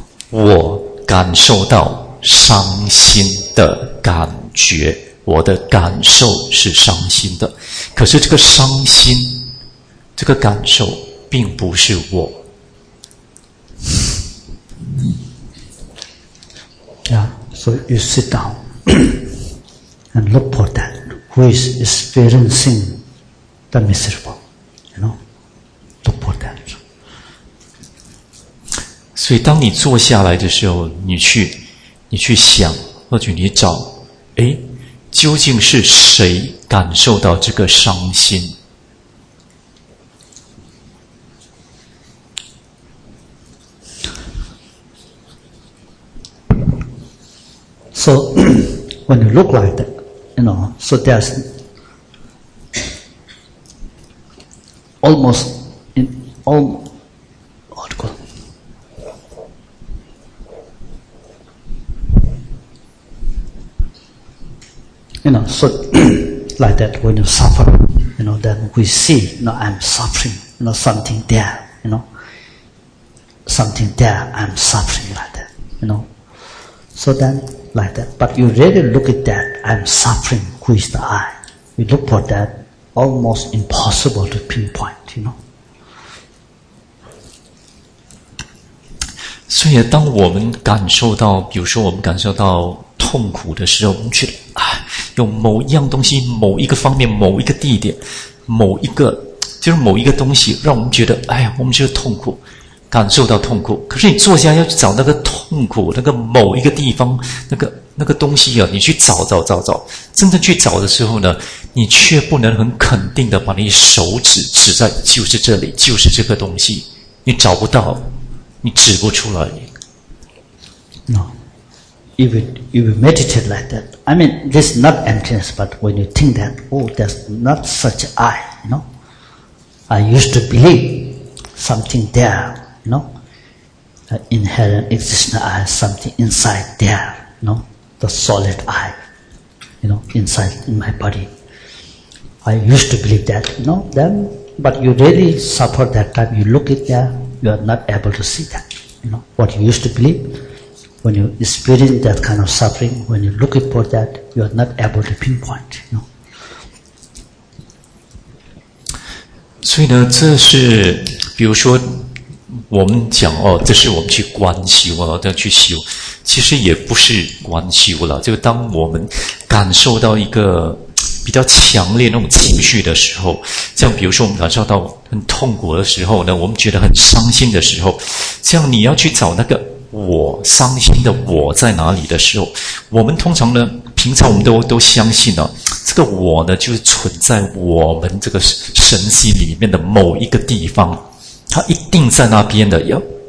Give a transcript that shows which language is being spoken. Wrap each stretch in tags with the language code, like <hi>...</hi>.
<zh>我感受到伤心的感觉，我的感受是伤心的。可是这个伤心，这个感受并不是我。</zh> <en>Yeah, so you sit down and look for that who is experiencing the miserable, you know, look for that.</en> <zh>所以当你坐下来的时候，你去想，或者你找，诶，究竟是谁感受到这个伤心？</zh> <en>So when you look like that, you know, so there's almost in all article. You know, so like that when you suffer, you know, then we see, you know, I'm suffering, you know, something there, you know, something there, I'm suffering like that, you know. So then,like that. But you really look at that, I'm suffering, who is the I? You look for that, almost impossible to pinpoint, you know?</en> <zh>所以当我们感受到，比如说我们感受到痛苦的时候，我们觉得，有某一样东西，某一个方面，某一个地点，某一个，就是某一个东西，让我们觉得，我们觉得痛苦。感受到痛苦，可是你坐下要去找那个痛苦，那个某一个地方，那个东西啊，你去找，真正去找的时候呢，你却不能很肯定的把你手指指在就是这里，就是这个东西，你找不到，你指不出来。</zh> <en>No, if you meditate like that, I mean, this is not emptiness, but when you think that, oh, there's not such I, you know, I used to believe something there. No, inherent existence I, something inside there, no, the solid I, you know, inside in my body. I used to believe that, you know, then, but you really suffer that time, you look at there, you are not able to see that, you know, what you used to believe, when you experience that kind of suffering, when you look for that, you are not able to pinpoint, you know.</en> <zh>所以呢，这是比如说我们讲哦，这是我们去观修啊，要去修，其实也不是观修了。就当我们感受到一个比较强烈那种情绪的时候，像比如说我们感受到很痛苦的时候呢，我们觉得很伤心的时候，像你要去找那个我伤心的我在哪里的时候，我们通常呢，平常我们都相信呢、啊，这个我呢就是存在我们这个神系里面的某一个地方，它一定在那边的，要</zh>